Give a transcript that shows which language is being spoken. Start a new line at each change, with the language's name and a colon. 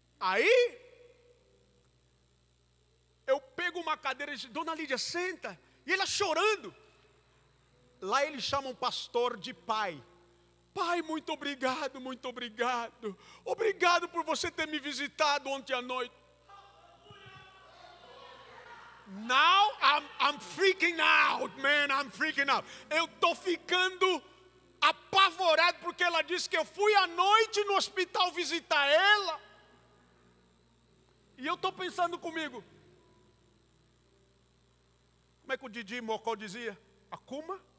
Portuguese: Aí, eu pego uma cadeira e digo, Dona Lídia, senta. E ela chorando. Lá eles chamam o pastor de pai. Pai, muito obrigado, muito obrigado. Obrigado por você ter me visitado ontem à noite.
English: Now I'm freaking out, man, I'm freaking out.
Portuguese: Eu estou ficando apavorado porque ela disse que eu fui à noite no hospital visitar ela. E eu estou pensando comigo. Como é que o Didi Mocó dizia? Acuma?